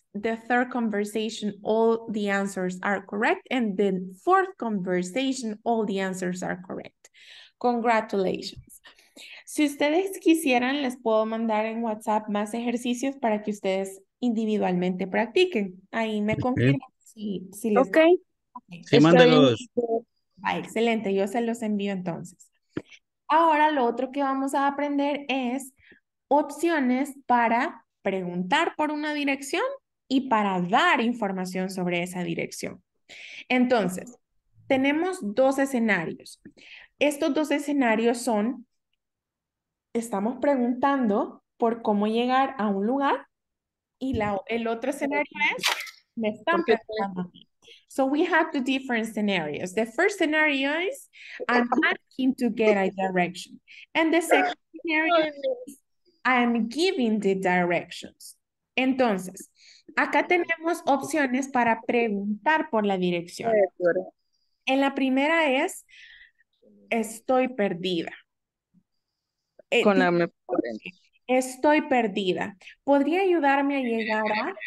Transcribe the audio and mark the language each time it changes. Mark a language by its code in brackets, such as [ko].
[en] The third conversation, all the answers are correct. And the fourth conversation, all the answers are correct. Congratulations. [es] Si ustedes quisieran, les puedo mandar en WhatsApp más ejercicios para que ustedes individualmente practiquen. Ahí me confirman. Sí, mándalos. Excelente, yo se los envío entonces. Ahora lo otro que vamos a aprender es opciones para preguntar por una dirección y para dar información sobre esa dirección. Entonces, tenemos dos escenarios. Estos dos escenarios son, estamos preguntando por cómo llegar a un lugar y el otro escenario es, me están preguntando. [en] So we have two different scenarios. The first scenario is, I'm asking to get a direction. And the second scenario is, I'm giving the directions. [es] Entonces, acá tenemos opciones para preguntar por la dirección. En la primera es, estoy perdida. Estoy perdida. ¿Podría ayudarme a llegar a?